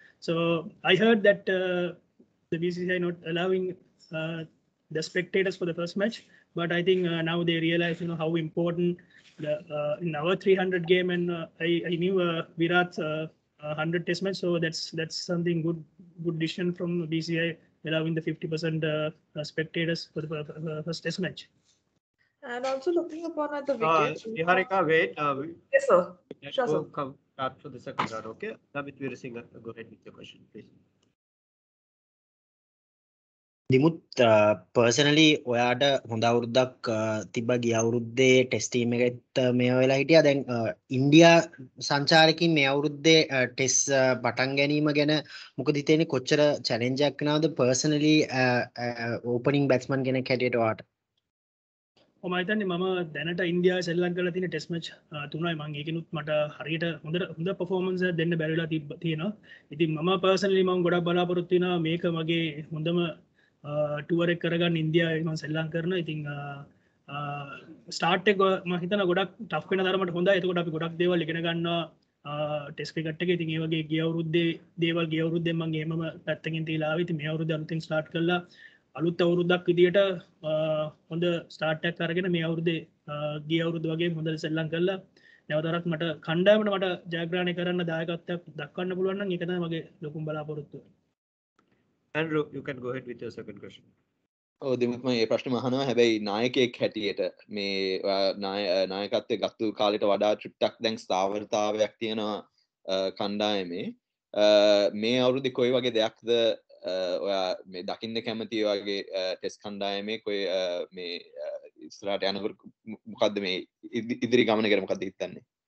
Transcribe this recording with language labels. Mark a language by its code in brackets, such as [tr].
[en] So I heard that the BCCI not allowing the spectators for the first match, but I think now they realize, you know, how important the in our 300 game, and I knew Virat's 100 test match, so that's something good decision from BCCI allowing the 50% spectators for the first test match. And also looking upon at the wicket. Niharika, wait. Yes, sir. Sure, sir. Come back for the second round, okay? Dimuth Veerasinghe, go ahead with your question, please. [si] Dimuth, personally ඔයාට හොඳ අවුරුද්දක් තිබ්බ ගිය අවුරුද්දේ test team එකෙත් මේ වෙලාව හිටියා. දැන් ඉන්දියා සංචාරකින් මේ අවුරුද්දේ ටෙස්ට් පටන් ගැනීම ගැන මොකද හිතෙන්නේ? කොච්චර චැලෙන්ජ් එකක් වෙනවද පර්සනලි ඕපනින් බැට්ස්මන් ගැන කැඩියට වාට? ඔම හිතන්නේ මම දැනට ඉන්දියාවේ සෙල්ලම් කරලා තියෙන ටෙස්ට් මැච් තුනයි. මම ඒකිනුත් මට හරියට හොඳ පර්ෆෝමන්ස් එකක් දෙන්න බැරිලා තියෙනවා. ඉතින් මම පර්සනලි මම ගොඩක් බලාපොරොත්තු වෙනවා මේක මගේ හොඳම ටුවර් එක කරගන්න ඉන්දියාවේ මම සෙල්ලම් කරනවා. ඉතින් ස්ටාර්ට් එක මම හිතන ගොඩක් ටෆ් වෙන තරමට හොඳයි. එතකොට අපි ගොඩක් දේවල් ඉගෙන ගන්නවා ටෙස්ට් ක්‍රිකට් එකේ. ඉතින් ඒ වගේ ගිය අවුරුද්දේ මම එහෙමම පැත්තකින් තියලා ආවා. ඉතින් මේ අවුරුද්දේ අලුතින් ස්ටාර්ට් කළා. අලුත් අවුරුද්දක් විදියට හොඳ ස්ටාර්ට් එකක් අරගෙන මේ අවුරුද්දේ ගිය අවුරුද්ද වගේ හොඳට සෙල්ලම් කළා. නැවතරක් මට කණ්ඩායමට මට ජයග්‍රහණය කරන්න දායකත්වයක් දක්වන්න පුළුවන් නම් ඒක තමයි මගේ ලොකුම බලාපොරොත්තුව. [en] Andrew, you can go ahead with your second question. [si] Oh, Dimuth, මේ ප්‍රශ්නේ අහනවා. හැබැයි නායකයෙක් හැටියට මේ නායකත්වයේ ගත්ත කාලයට වඩා චුට්ටක් දැන් ස්ථාවරතාවයක් තියෙනවා කණ්ඩායමේ. මේ අවුරුද්දේ කොයි වගේ දෙයක්ද ඔයා මේ දකින්න කැමති වගේ ටෙස්ට් කණ්ඩායමේ කොයි මේ ඉස්සරහට යනකොට මොකද්ද මේ ඉදිරි ගමන ගැන මොකද්ද හිතන්නේ?